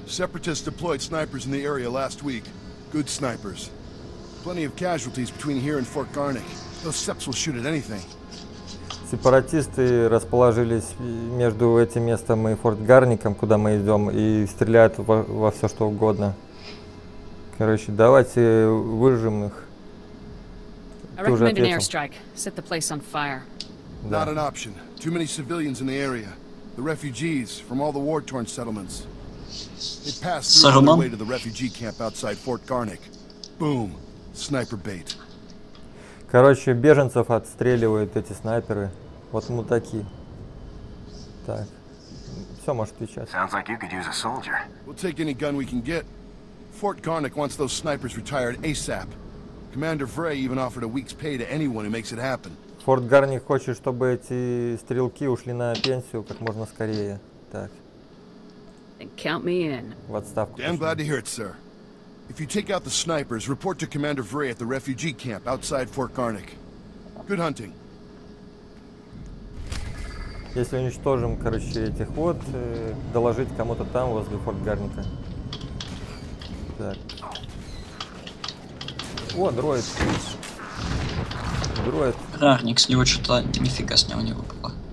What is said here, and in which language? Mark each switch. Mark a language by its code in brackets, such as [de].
[en] Separatists deployed snipers in the area last week. Good snipers. Plenty of casualties between here and Fort Garnick. Those seps will shoot at anything. [ru] Сепаратисты расположились между этим местом и Форт Гарником, куда мы идем, и стреляют во все что угодно. Короче, давайте выжжем их. Ты уже ответил. [en] I recommend an airstrike. Set the place on fire. Да. Not an option. Too many civilians in the area. The refugees from all the war-torn settlements. They passed through on their way to the refugee camp outside Fort Garnick. Boom. Sniper bait. [ru] Короче, беженцев отстреливают эти снайперы. Вот мы такие. Так. Все, может, отвечать. [en] Sounds like you could use a soldier. We'll take any gun we can get. Fort Garnick wants those snipers retired ASAP. Commander Vray even offered a week's pay to anyone who makes it happen. [ru] Форт Гарник хочет, чтобы эти стрелки ушли на пенсию как можно скорее. Так. [en] And count me in. [ru] В отставку. [en] I'm glad to hear it, sir. If you take out the snipers, report to Commander Vray at the refugee camp outside Fort Garnick. Good hunting. [ru] Если уничтожим, короче, этих вот, доложить кому-то там возле Форт Гарника. Так. О, дроид. Дроид. Гарник, с него что-то нифига с него не выпало.